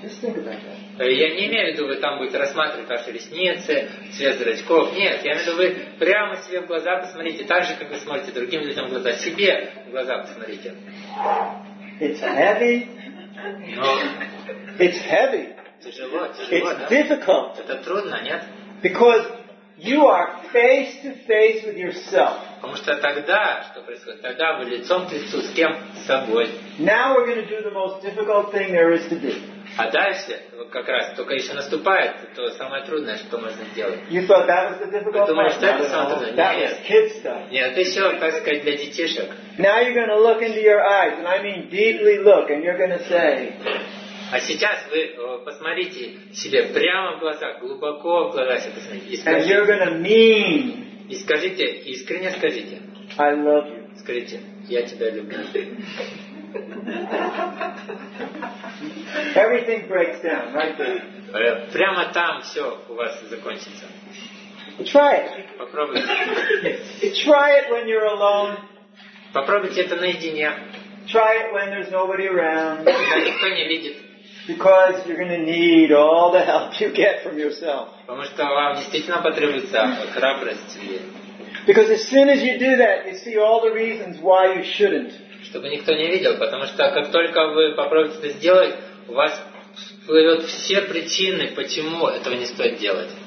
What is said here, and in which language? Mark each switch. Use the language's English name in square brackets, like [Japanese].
[English] Just think about that. [Russian] Я не имею в виду, вы там будете рассматривать ваши ресницы, цвет зрачков. Нет, я имею в виду, вы прямо себе в глаза посмотрите, так же, как вы смотрите другим людям в глаза. Себе в глаза посмотрите. [English] It's heavy. [Russian] Но [English] it's heavy. [Russian] Тяжело, тяжело. [English] It's [Russian] да? [English] difficult. [Russian] Это трудно, нет? [English] Because you are face to face with yourself. [Russian] Потому что тогда, что происходит, тогда вы лицом к лицу, с кем? С собой. [English] Now we're going to do the most difficult thing there is to do. [Russian] А дальше, как раз, только еще наступает то самое трудное, что можно сделать. [English] You thought that was the difficult part? [Russian] Вы думали, что это самое трудное? [English] That was kid stuff. [Russian] Нет, это еще, так сказать, для детишек. [English] Now you're going to look into your eyes, and I mean deeply look, and you're going to say... [Russian] А сейчас вы посмотрите себе прямо в глаза, глубоко в глаза себе посмотрите. И скажите, [English] and you're going to mean... [Russian] И скажите, искренне скажите. [English] I love you. [Russian] Скажите, я тебя люблю. [English] Everything breaks down right there. [Russian] Прямо там все у вас закончится. [English] Try it. [Russian] Попробуйте. [English] Try it when you're alone. [Russian] Попробуйте это наедине. [English] Try it when there's nobody around. [Russian] Когда никто не видит. [English] Because you're going to need all the help you get from yourself. [Russian] Потому что вам действительно потребуется храбрость. [English] Because as soon as you do that, you see all the reasons why you shouldn't. [Russian] Чтобы никто не видел, потому что как только вы попробуете это сделать, у вас всплывет все причины, почему этого не стоит делать.